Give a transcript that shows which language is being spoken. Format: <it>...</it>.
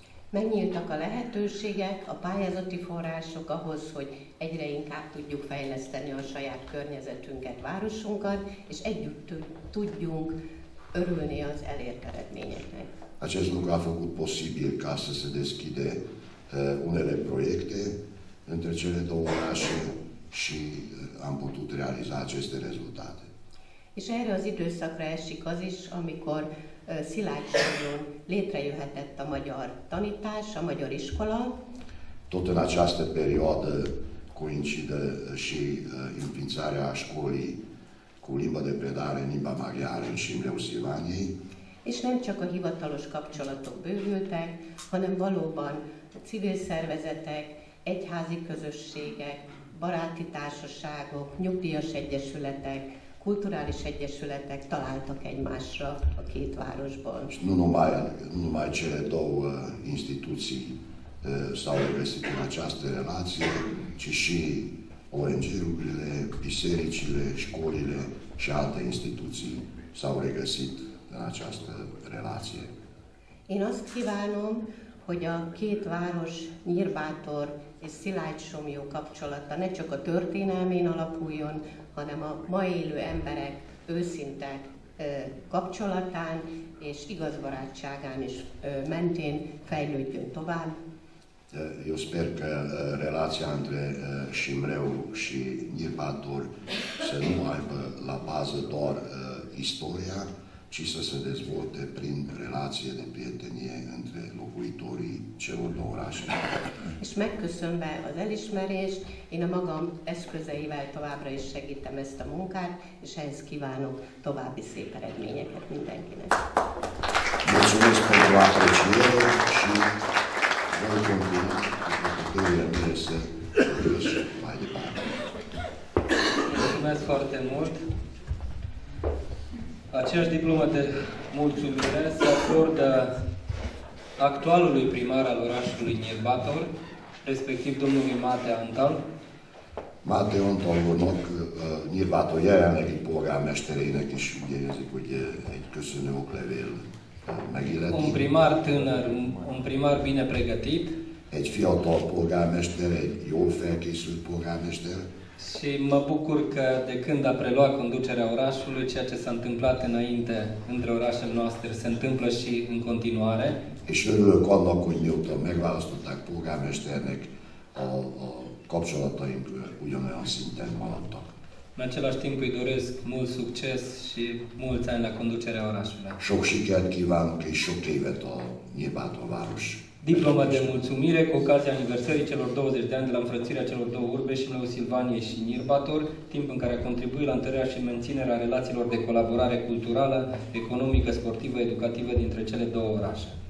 <hu>Megnyíltak a lehetőségek, a pályázati források ahhoz, hogy egyre inkább tudjuk fejleszteni a saját környezetünket, városunkat, és együtt tudjunk örülni az elért eredményeknek.</hu> <ro>Acest lucru a făcut posibil ca să se deschide unele proiecte între cele două orașe și am putut realiza aceste rezultate.</ro> <hu>És erre az időszakra esik az is, amikor Szilágysomlyón létrejöhetett a magyar tanítás, a magyar iskola.</hu> <ro>Tot în această perioadă coincide și înființarea școlii cu limba de predare în limba maghiară în Șimleu Silvaniei.</ro> <hu>És nem csak a hivatalos kapcsolatok bővültek, hanem valóban a civil szervezetek, egyházi közösségek, baráti társaságok, nyugdíjas egyesületek, kulturális egyesületek találtak egymásra a két városban.</hu> <ro>Nu numai cele două instituții s-au investit în această relație, ci și ONG-urile, bisericile, școlile și alte instituții s-au regăsit în această relație.</ro> <hu>Én azt kívánom, hogy a két város, Nyírbátor és Szilágysomlyó kapcsolata ne csak a történelmén alapuljon, hanem a ma élő emberek őszinte kapcsolatán és igaz barátságán is mentén fejlődjön tovább.</hu> <ro>Eu sper că relația între Șimreu și Nyírbátor să nu aibă la bază doar istoria, ci să se dezvolte prin relație de prietenie între locuitorii celor două orașe.</ro> <hu>És megköszönöm az elismerést, én a magam eszközeivel továbbra is segítem ezt a munkát, és ehhez kívánok további szép eredményeket mindenkinek.</hu> <ro>Mulțumesc pentru apreciere și voi continua pentru că să vedeți mai departe. Mulțumesc foarte mult! Aceeași diplomă de mulțumire se acordă actualului primar al orașului Nyírbátor, respectiv domnului Máté Antal.</ro> <hu>Máté Antal úrnak, Nyírbátor jelenlegi polgármestereinek is ugyanezik, hogy egy köszönő oklevél megilleti.</hu> <ro>Un primar tânăr, un primar bine pregătit.</ro> <hu>Egy fiatal polgármester, egy jól felkészült polgármester.</hu> <ro>Și mă bucur că de când a preluat conducerea orașului, ceea ce s-a întâmplat înainte între orașele noastre se întâmplă și în continuare.</ro> <hu>Și örülök annak, hogy miután megválasztották polgármesternek, a kapcsolataink ugyanolyan szinten maradtak.</hu> <ro>În același timp îi doresc mult succes și mulți ani la conducerea orașului.</ro> <hu>Sok sikert kívánok és sok évet a Nyírbátor város.</hu> <ro>Diploma de mulțumire cu ocazia aniversării celor 20 de ani de la înfrățirea celor două urbe, Șimleu, Silvanie și Nyírbátor, timp în care a contribuit la întărirea și menținerea relațiilor de colaborare culturală, economică, sportivă, educativă dintre cele două orașe.</ro>